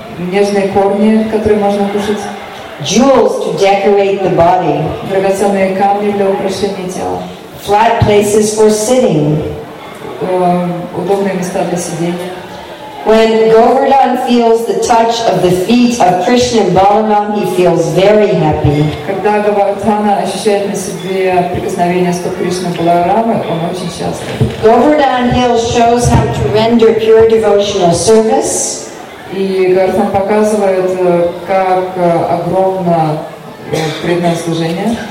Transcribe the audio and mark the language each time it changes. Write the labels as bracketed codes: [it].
[ru] нежные корни, которые можно кушать, [en] jewels to decorate the body, [ru] драгоценные камни для украшения тела, [en] flat places for sitting, [ru] удобные места для сидения. [en] When Govardhan feels the touch of the feet of Krishna and Balaram, he feels very happy. [ru] Когда Говардхана ощущает на себе прикосновение стоп Кришны и Баларамы, он очень счастлив. [en] Govardhan Hill shows how to render pure devotional service. [ru] И Говардхан показывает, как огромно преданное служение.